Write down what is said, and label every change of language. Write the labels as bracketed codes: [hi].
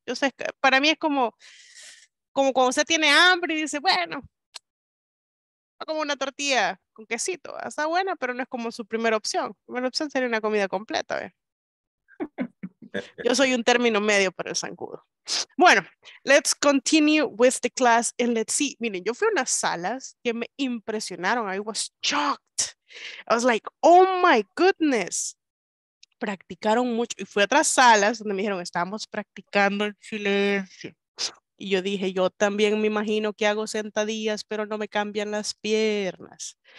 [es] Yo sé, para mí es como cuando usted tiene hambre y dice, bueno, como una tortilla con quesito, está buena, pero no es como su primera opción. La primera opción sería una comida completa. Yo soy un término medio para el zancudo. [en] Bueno, let's continue with the class and let's see. [es] Miren, yo fui a unas salas que me impresionaron. [en] I was shocked. I was like, oh my goodness. [es] Practicaron mucho. Y fui a otras salas donde me dijeron, estamos practicando el silencio. Y yo dije, yo también me imagino que hago sentadillas, pero no me cambian las piernas.